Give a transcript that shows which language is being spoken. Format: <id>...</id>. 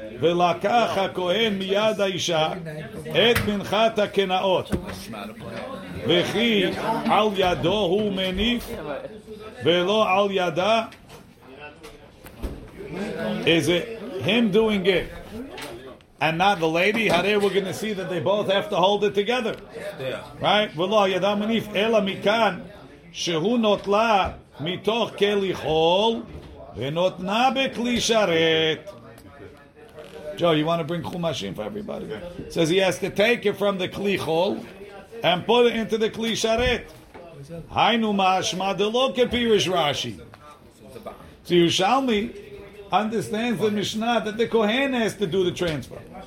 <he>ולקח הכהן מיד האישה את מנחת הקנאות וכי על ידו הוא מניף ולא על ידה.</he> <en>Is it him doing it and not the lady? Hare, we're going to see that they both have to hold it together. Yeah. Right?</en> <he>ולא על ידה מניף, אלא מכאן שהוא נוטלה מתוך כלי חול ונותנה בכלי שרת.</he> <en>Joe, you want to bring chumashim for everybody? Yeah. Says he has to take it from the kli chol and put it into the kli sharet.</en> <he>Haynu ma'ashma delo kepirish</he> <en>Rashi. So Yerushalmi understands the Mishnah that the Kohen has to do the transfer.</en>